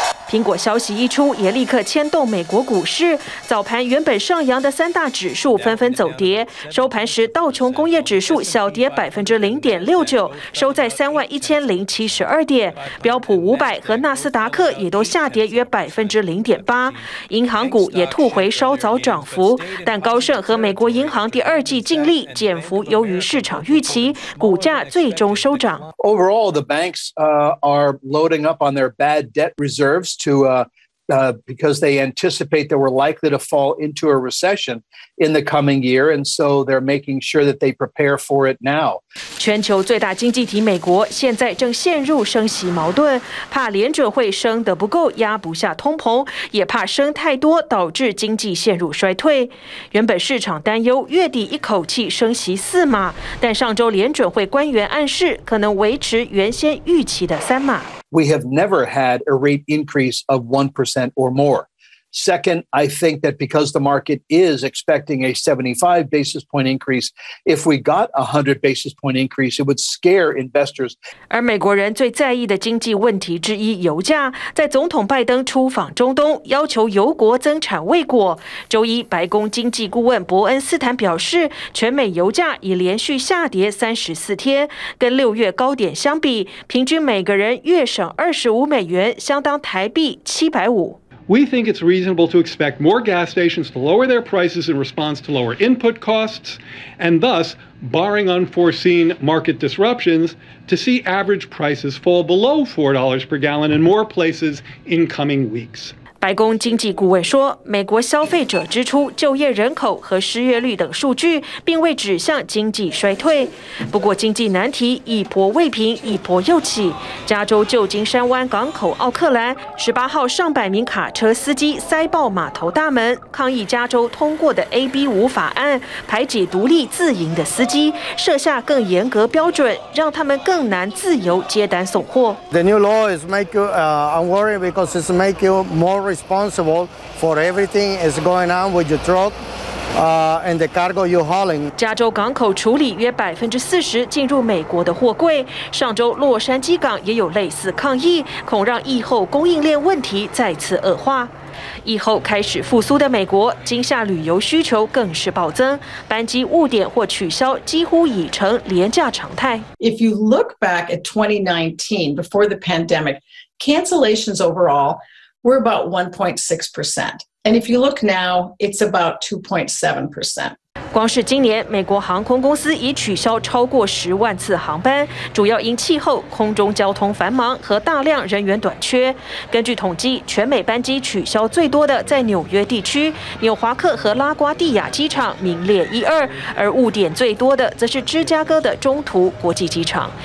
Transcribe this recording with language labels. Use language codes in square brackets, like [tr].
[zh] 苹果消息一出也立刻牵动美国股市，早盘原本上扬的三大指数纷纷走跌，收盘时道琼工业指数小跌0.69%，收在31,072点，标普500和纳斯达克也都下跌约0.8%，银行股也吐回稍早涨幅，但高盛和美国银行第二季净利减幅优于市场预期，股价最终收涨。 [en] Overall the banks are loading up on their bad debt reservesbecause they anticipate that we're likely to fall into a recession in the coming year, and so they're making sure that they prepare for it now. [zh] 全球最大经济体美国现在正陷入升息矛盾，怕联准会升得不够压不下通膨，也怕升太多导致经济陷入衰退。原本市场担忧月底一口气升息四码，但上周联准会官员暗示可能维持原先预期的三码。 [en] We have never had a rate increase of 1% or more. Second, I think that because the market is expecting a 75 basis point increase, if we got a 100 basis point increase, it would scare investors. [zh] 而美国人最在意的经济问题之一油价，在总统拜登出访中东要求油国增产未果。周一白宫经济顾问伯恩斯坦表示，全美油价已连续下跌34天，跟六月高点相比，平均每个人月省$25，相当台币750。 [en] We think it's reasonable to expect more gas stations to lower their prices in response to lower input costs, and thus, barring unforeseen market disruptions, to see average prices fall below $4 per gallon in more places in coming weeks. [zh] 白宫经济顾问说，美国消费者支出、就业人口和失业率等数据并未指向经济衰退。不过经济难题一波未平一波又起，加州旧金山湾港口奥克兰18号上百名卡车司机塞爆码头大门，抗议加州通过的 AB5 法案排挤独立自营的司机，设下更严格标准，让他们更难自由接单送货。 [en] The new law is make you unworried because it's make you moreresponsible for everything is going on with your truck and the cargo you're hauling. [zh] 加州港口处理约40%进入美国的货柜，上周洛杉矶港也有类似抗议，恐让疫后供应链问题再次恶化。疫后开始复苏的美国，今夏旅游需求更是暴增，班机误点或取消几乎已成廉价常态。 [en] If you look back at 2019 before the pandemic, cancellations overall were about 1.6%. And if you look now, it's about 2.7%. [zh] 光是今年，美国航空公司已取消超过十万次航班，主要因气候、空中交通繁忙和大量人员短缺。根据统计，全美班机取消最多的在纽约地区，纽华克和拉瓜地亚机场名列一二，而误点最多的则是芝加哥的中途国际机场。